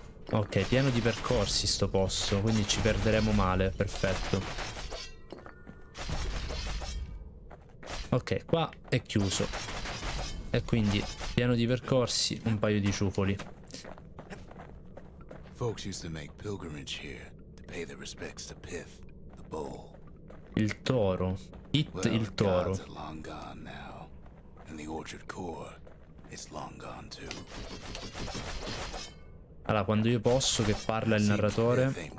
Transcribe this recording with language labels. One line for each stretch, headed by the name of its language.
Italian: Ok, pieno di percorsi sto posto, quindi ci perderemo male, perfetto. Ok, qua è chiuso. E quindi, pieno di percorsi, un paio di ciufoli.
English: Folks used to make pilgrimage here to pay their respects to Pith, the bull.
Italian: Il toro. Pit,
English: well,
Italian: il toro.
English: God's long gone now. And the orchard core is long gone too.
Italian: Allora, quando io posso, che parla il narratore.